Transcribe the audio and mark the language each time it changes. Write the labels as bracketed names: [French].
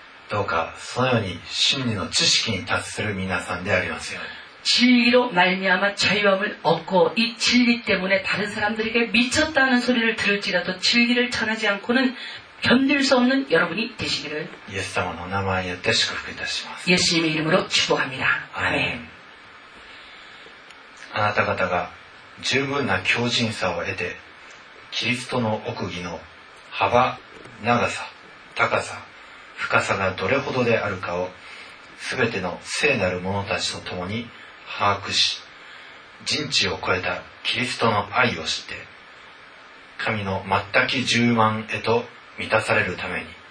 [Japanese] どうかそのように真理の知識に達する皆さんでありますように [Korean] 진리로말미암아자유함을얻고이진리때문에다른사람들에게미쳤다는소리를들을지라도진리를전하지않고는견딜수없는여러분이되시기를 [Japanese] 예수様の名前によって祝福いたします。 [Korean] 예수님의이름으로축복합니다아멘 [Japanese] あなた方が十分な強靭さを得てキリストの奥義の幅長さ高さ深さがどれほどであるかをすべての聖なる者たちと共に把握し人知を超えたキリストの愛を知って神の全き充満へと満たされるために